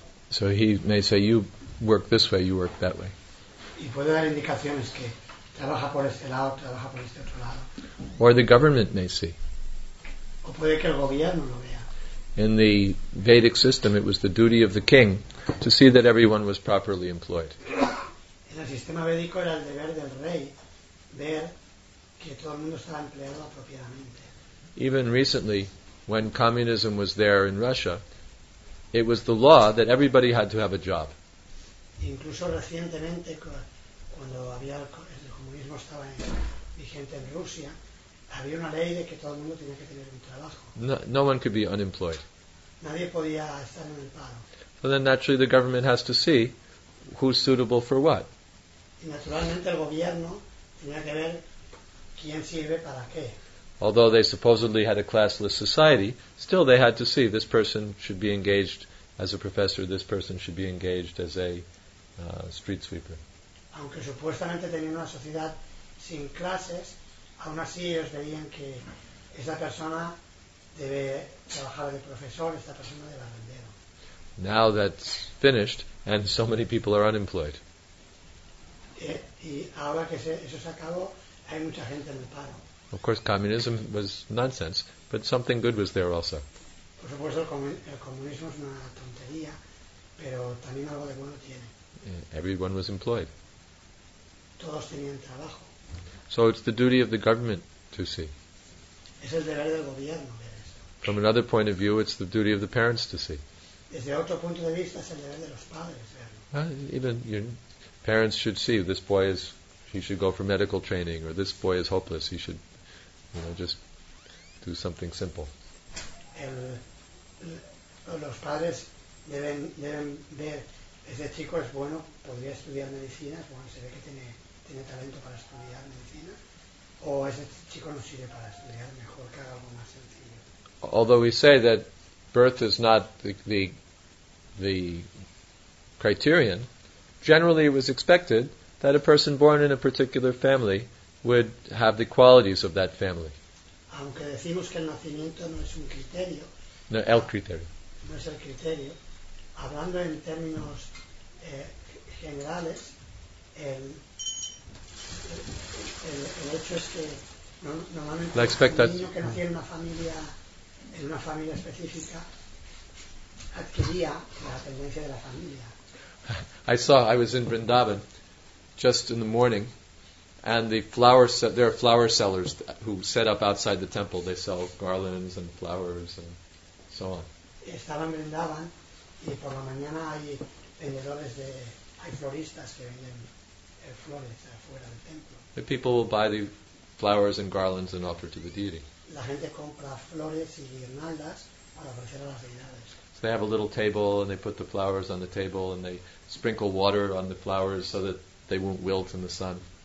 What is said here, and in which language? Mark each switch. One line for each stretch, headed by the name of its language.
English: So he may say, you work this way, you work that way.
Spanish: Y puede dar indicaciones que trabaja por este lado, trabaja por este otro lado.
English: Or the government may see.
Spanish: O puede que el gobierno lo vea.
English: In the Vedic system, it was the duty of the king to see that everyone was properly employed.
Spanish: En el sistema védico era el deber del rey ver que todo el mundo estaba empleado apropiadamente.
English: Even recently, when communism was there in Russia, it was the law that everybody had to have a job.
Spanish: Incluso recientemente, cuando había el comunismo estaba vigente en Rusia, había una ley de que todo el mundo tenía que tener un trabajo.
English: No, no one could be unemployed.
Spanish: Nadie podía estar en el paro.
English: So then naturally the government has to see who's suitable for what.
Spanish: Y naturalmente el gobierno tenía que ver quién sirve para qué.
English: Although they supposedly had a classless society, still they had to see this person should be engaged as a professor, this person should be engaged as a street sweeper.
Spanish: Aunque supuestamente tenían una sociedad sin clases, aún así ellos veían que esta persona debe trabajar de profesor, esta persona de barrendero.
English: Now that's finished and so many people are unemployed.
Spanish: Y ahora que eso se acabó, hay mucha gente en el paro.
English: Of course, communism was nonsense, but something good was there also.
Spanish: Por supuesto, el comunismo es una tontería, pero también algo de bueno tiene.
English: Everyone was employed.
Spanish: Todos tenían trabajo.
English: So it's the duty of the government to see.
Spanish: Es el deber del gobierno ver eso.
English: From another point of view, it's the duty of the parents to see.
Spanish: Desde otro punto de vista, es el deber de los padres verlo.
English: Even your parents should see this boy is, he should go for medical training, or this boy is hopeless, he should, you know, just do something simple.
Spanish: Los padres deben ver, ese chico es bueno, podría estudiar medicina, bueno, se ve que tiene talento para estudiar medicina, o ese chico no sirve para estudiar, mejor que haga algo más sencillo.
English: Although we say that birth is not the criterion, generally it was expected that a person born in a particular family would have the qualities of that family.
Spanish: Aunque decimos que el nacimiento no es un criterio. No, el criterio. No es el criterio. Hablando en términos generales, el hecho es que normalmente un niño que nacía en una familia específica adquiría la tendencia de la familia.
English: I was in Vrindavan just in the morning, and there are flower sellers who set up outside the temple. They sell garlands and flowers and so on.
Spanish: Estaba en Vrindavan y por la mañana hay vendedores de, hay floristas que venden flores afuera del templo.
English: The people will buy the flowers and garlands and offer to the deity.
Spanish: La gente compra flores y guirnaldas para ofrecer a las deidades.
English: They have a little table and they put the flowers on the table and they sprinkle water on the flowers so that they won't wilt in the sun.